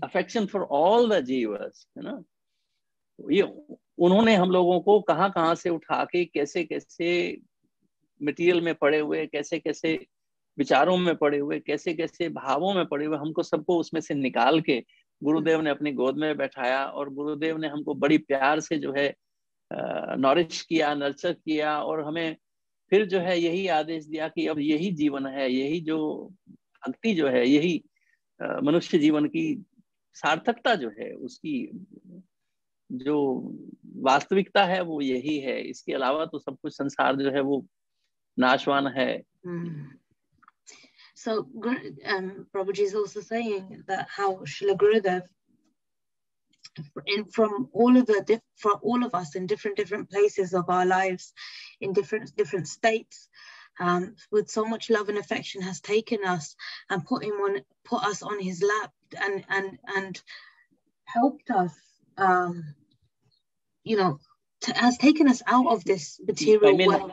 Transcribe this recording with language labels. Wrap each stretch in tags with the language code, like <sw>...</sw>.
<en>affection for all the jivas, you know.</en> <hi>ये उन्होंने हम लोगों को कहाँ कहाँ से उठा के कैसे कैसे material में पड़े हुए, कैसे कैसे विचारों में पड़े हुए, कैसे कैसे भावों में पड़े हुए, हमको सबको उसमें से निकाल के गुरुदेव ने अपनी गोद में बैठाया और गुरुदेव ने हमको बड़ी प्यार से जो है नॉरिश किया, नर्चर किया, और हमें फिर जो है यही आदेश दिया कि अब यही जीवन है, यही जो भक्ति जो है, यही मनुष्य जीवन की सार्थकता जो है, उसकी जो वास्तविकता है वो यही है, इसके अलावा तो सब कुछ संसार जो है वो नाशवान है.</hi> <en>So Prabhuji is also saying that how Srila Gurudev, from all of us in different places of our lives, in different states, with so much love and affection, has taken us and put us on his lap and helped us, has taken us out of this material.</en>